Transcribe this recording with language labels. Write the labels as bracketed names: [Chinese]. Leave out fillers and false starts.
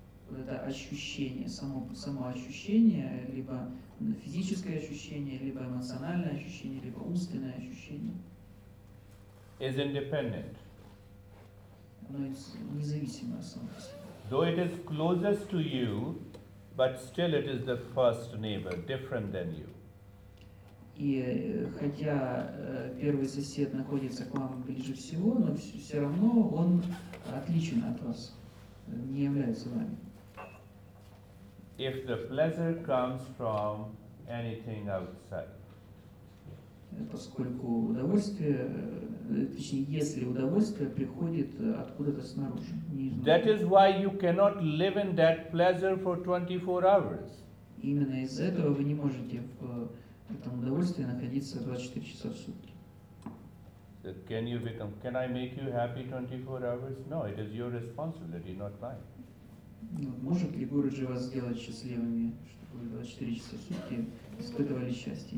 [Russian] Это ощущение, само ощущение, либо физическое ощущение, либо эмоциональное ощущение, либо умственное ощущение. [English] Is independent. [Russian] Оно независимо от самого себя. [English] Though it is closest to you, but still it is the first neighbor, different than you. [Russian] И хотя первый сосед находится к вам ближе всего, но все равно он отличен от вас, не является вами. [English] If the pleasure comes from anything outside. [Russian] Поскольку удовольствие, точнее, если удовольствие приходит откуда-то снаружи. [English] That is why you cannot live in that pleasure for 24 hours. [Russian] Именно из-за этого вы не можете в этом удовольствии находиться 24 часа в сутки. [English] So can you become, can I make you happy 24 hours? No, it is your responsibility, not mine. [Russian] Может ли Гуруджи вас сделать счастливыми, чтобы 24 часа в сутки испытывали счастье?